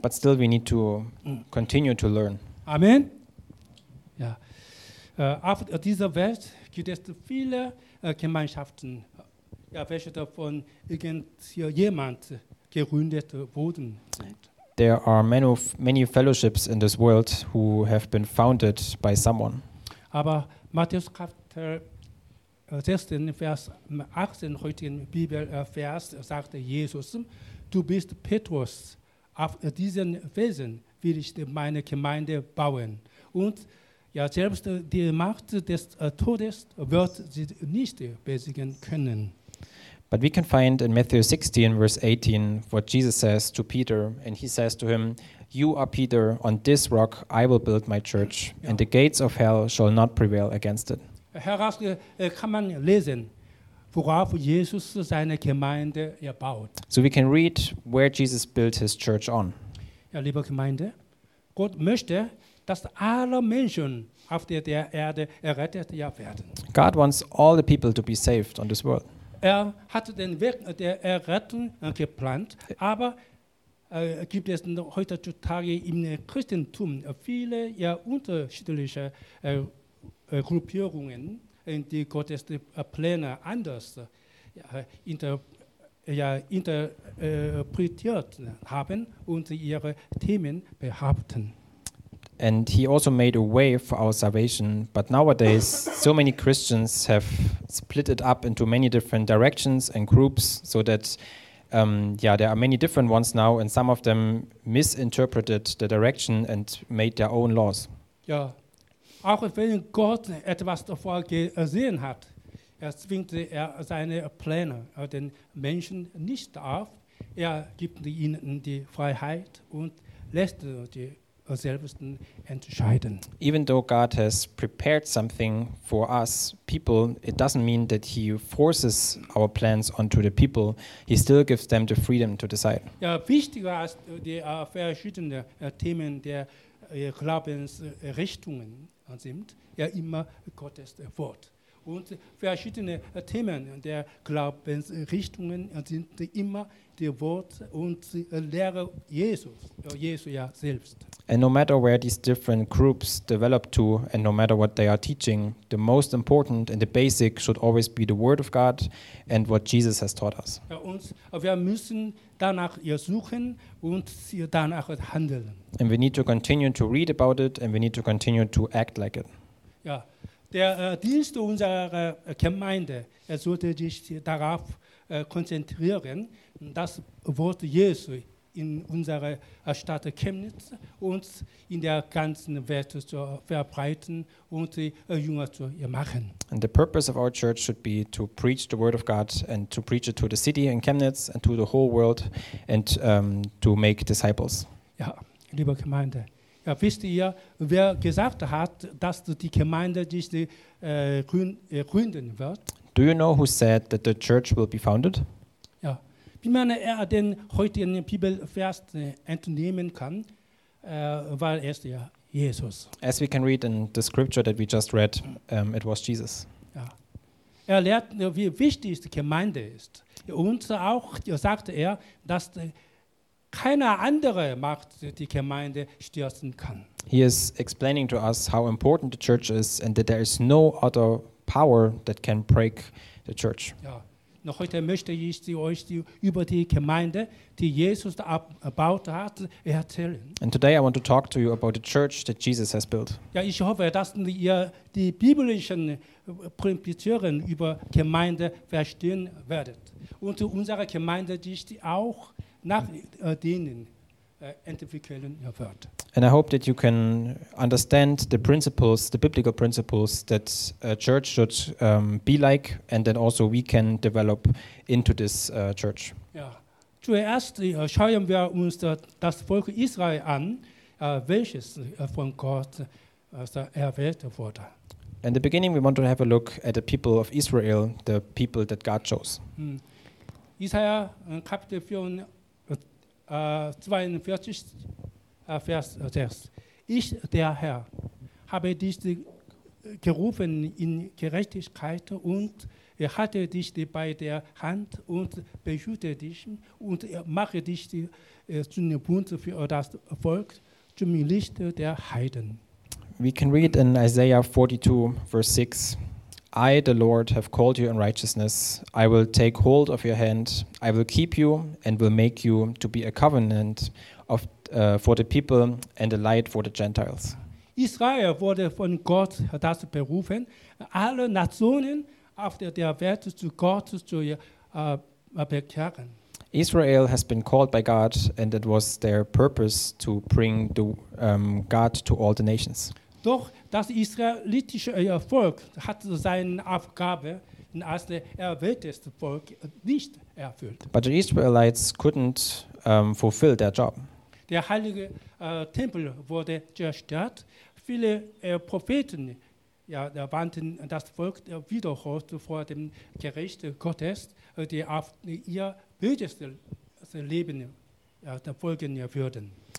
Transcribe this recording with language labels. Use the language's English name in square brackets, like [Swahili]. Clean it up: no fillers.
[English] But still we need to continue to learn. [German] Amen. Ja. Auf dieser Welt gibt es viele Gemeinschaften, welche davon irgendjemand gegründet wurden. [English] There are many fellowships in this world who have been founded by someone. [German] Aber Matthäus Kapitel 16, Vers 18, heutigen Bibelvers, sagte Jesus, du bist Petrus, auf diesen Felsen will ich meine Gemeinde bauen. Und selbst die Macht des Todes wird sie nicht besiegen können. [English] But we can find in Matthew 16, verse 18, what Jesus says to Peter, and he says to him, you are Peter, on this rock I will build my church, and the gates of hell shall not prevail against it. [German] Heraus kann man lesen, worauf Jesus seine Gemeinde baut. [English] So we can read where Jesus built his church on. [German] Ja, liebe Gemeinde, Gott möchte, dass alle Menschen auf der Erde errettet werden. [English] God wants all the people to be saved on this world. [German] Er hat den Weg der Errettung geplant, aber gibt es heutzutage im Christentum viele unterschiedliche Gruppierungen, die Gottes Pläne anders interpretiert haben und ihre Themen behaupten. [English] And he also made a way for our salvation, but nowadays so many Christians have split it up into many different directions and groups, so that there are many different ones now, and some of them misinterpreted the direction and made their own laws. [German] Ja. Auch wenn Gott etwas davor gesehen hat, zwingt seine Pläne den Menschen nicht auf. Gibt ihnen die Freiheit und lässt die selbst entscheiden. [English] Even though God has prepared something for us people, it doesn't mean that he forces our plans onto the people. He still gives them the freedom to decide. [German] Ja, wichtiger als die verschiedenen Themen der Glaubensrichtungen sind immer Gottes Wort. Und verschiedene Themen der Glaubensrichtungen sind immer die Wort und Lehre Jesus selbst. [English] And no matter where these different groups develop to, and no matter what they are teaching, the most important and the basic should always be the Word of God and what Jesus has taught us. [German] Und wir müssen danach suchen und danach handeln. [English] And we need to continue to read about it, and we need to continue to act like it. [German] Ja, der Dienst unserer Gemeinde sollte sich darauf konzentrieren, das Wort Jesu in unsere Stadt Chemnitz und in der ganzen Welt zu verbreiten und Jünger zu machen. [English] And the purpose of our church should be to preach the word of God and to preach it to the city in Chemnitz and to the whole world and to make disciples. [German] Ja, liebe Gemeinde, wisst ihr, wer gesagt hat, dass die Gemeinde sich gründen wird? [English] Do you know who said that the church will be founded? [German] Ja, wie man den heutigen Bibelvers entnehmen kann, weil er ist ja Jesus. [English] As we can read in the scripture that we just read, it was Jesus. [German] Ja. Er lehrt, wie wichtig die Gemeinde ist. Und auch sagte er, dass keine andere Macht die Gemeinde stürzen kann. [English] He is explaining to us how important the church is and that there is no other power that can break the church. [German] Ja. Noch heute möchte ich euch über die Gemeinde, die Jesus gebaut hat, erzählen. [English] And today I want to talk to you about the church that Jesus has built. [German] Ja, ich hoffe, dass ihr die biblischen Prinzipien über Gemeinde verstehen werdet und unsere Gemeinde sich auch nach denen entwickeln wird. [English] And I hope that you can understand the principles, the biblical principles that a church should be like, and then also we can develop into this church. [German] Ja. Zuerst schauen wir uns das Volk Israel an, welches von Gott erwählt wurde. [English] In the beginning, we want to have a look at the people of Israel, the people that God chose. [German] Isaiah Kapitel 42. Vers 6. Ich, der Herr, habe dich gerufen in Gerechtigkeit und halte dich bei der Hand und behüte dich und mache dich zu einem Bund für das Volk, zum Licht der Heiden. [English] We can read in Isaiah 42, verse 6. I, the Lord, have called you in righteousness. I will take hold of your hand. I will keep you and will make you to be a covenant of for the people and a light for the Gentiles. [German] Israel wurde von Gott dazu berufen, alle Nationen auf der Welt zu Gott zu bekehren. [English] Israel has been called by God, and it was their purpose to bring the God to all the nations. [German] Doch das israelitische Volk hat seine Aufgabe als erwähltes Volk nicht erfüllt. [English] But the Israelites couldn't fulfill their job. [German] Der heilige Tempel wurde zerstört. Viele Propheten warnten das Volk wiederholt vor dem Gericht Gottes, die auf ihr wildes Leben folgen würden.